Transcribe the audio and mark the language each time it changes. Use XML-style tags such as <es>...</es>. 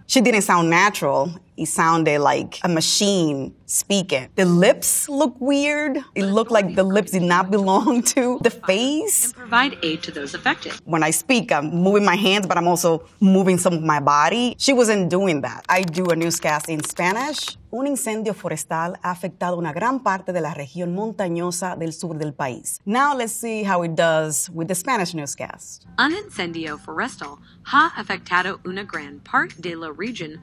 <en>She didn't sound natural. It sounded like a machine speaking. The lips look weird. It looked like the lips did not belong to the face. And provide aid to those affected. When I speak, I'm moving my hands, but I'm also moving some of my body. She wasn't doing that. I do a newscast in Spanish.</en> <es>Un incendio forestal ha afectado una gran parte de la región montañosa del sur del país.</es> <en>Now let's see how it does with the Spanish newscast.</en> <es>Un incendio forestal ha afectado una gran parte de la región.</es>